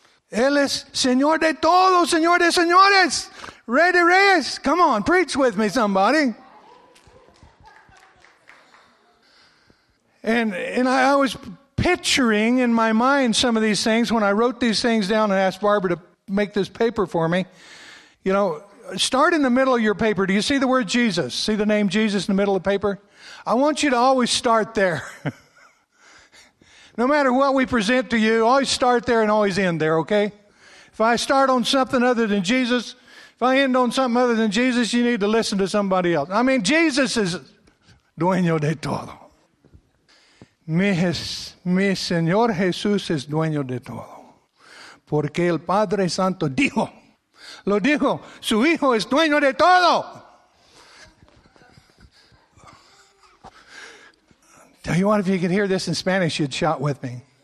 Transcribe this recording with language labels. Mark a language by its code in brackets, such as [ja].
[es] Él es Señor de todo, Señor de señores, Rey de reyes. [en] Come on, preach with me, somebody. And I was picturing in my mind some of these things when I wrote these things down and asked Barbara to make this paper for me. You know, start in the middle of your paper. Do you see the word Jesus? See the name Jesus in the middle of the paper? I want you to always start there. No matter what we present to you, always start there and always end there, okay? If I start on something other than Jesus, if I end on something other than Jesus, you need to listen to somebody else. I mean, Jesus is [es] dueño de todo. Mi Señor Jesús es dueño de todo. Porque el Padre Santo dijo, lo dijo, su Hijo es dueño de todo. [en] Tell you what, if you could hear this in Spanish, you'd shout with me.